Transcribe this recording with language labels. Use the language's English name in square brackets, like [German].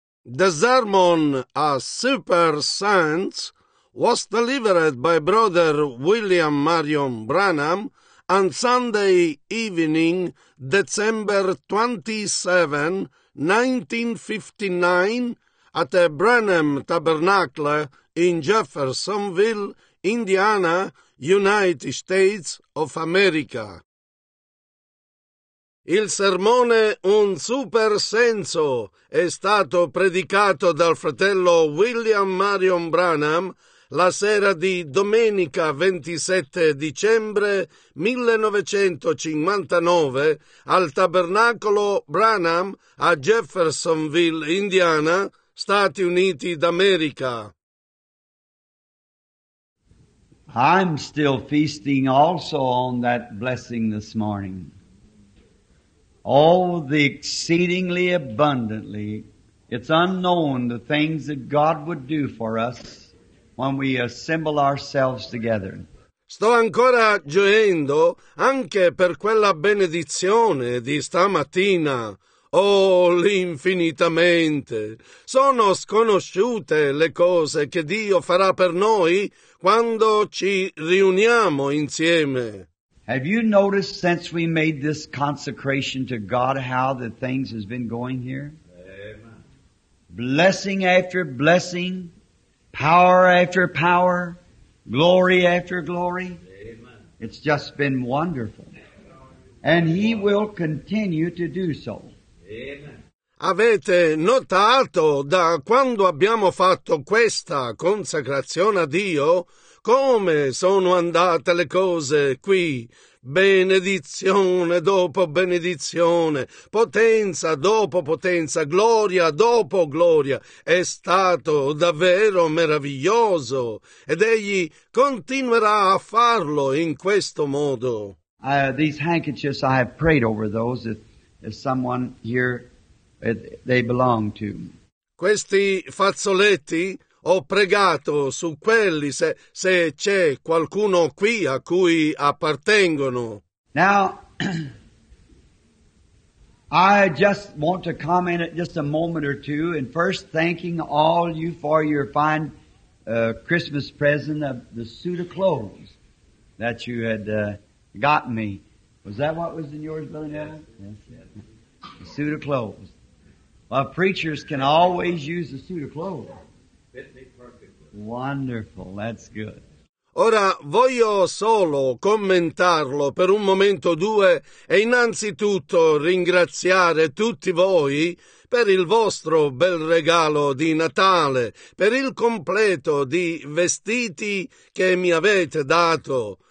[English] The sermon, A Super Saint, was delivered by Brother William Marion Branham on Sunday evening, December 27, 1959, at a Branham Tabernacle in Jeffersonville, Indiana, United States of America. [Italian] Il sermone Un Super Senso è stato predicato dal fratello William Marion Branham la sera di domenica 27 dicembre 1959 al Tabernacolo Branham a Jeffersonville, Indiana, Stati Uniti d'America. [English] I'm still feasting also on that blessing this morning. Oh, the exceedingly abundantly, it's unknown the things that God would do for us when we assemble ourselves together. [Italian] Sto ancora gioendo anche per quella benedizione di stamattina. Oh, l'infinitamente! Sono sconosciute le cose che Dio farà per noi quando ci riuniamo insieme. [English] Have you noticed since we made this consecration to God how the things has been going here? Amen. Blessing after blessing, power after power, glory after glory. Amen. It's just been wonderful. And He will continue to do so. Amen. [Italian] Avete notato da quando abbiamo fatto questa consacrazione a Dio? Come sono andate le cose qui? Benedizione dopo benedizione, potenza dopo potenza, gloria dopo gloria. È stato davvero meraviglioso ed Egli continuerà a farlo in questo modo. [English] These handkerchiefs, I have prayed over those if someone here they belong to. [Italian] Questi fazzoletti. Ho pregato su quelli se c'è qualcuno qui a cui appartengono. [English] Now, I just want to comment just a moment or two, and first thanking all you for your fine Christmas present of the suit of clothes that you had gotten me. Was that what was in yours, Billy? Yes. The suit of clothes. Well, preachers can always use the suit of clothes. Wonderful, that's good. [Italian] Ora voglio solo commentarlo per un momento o due e innanzitutto ringraziare tutti voi per il vostro bel regalo di Natale, per il completo di vestiti che mi avete dato.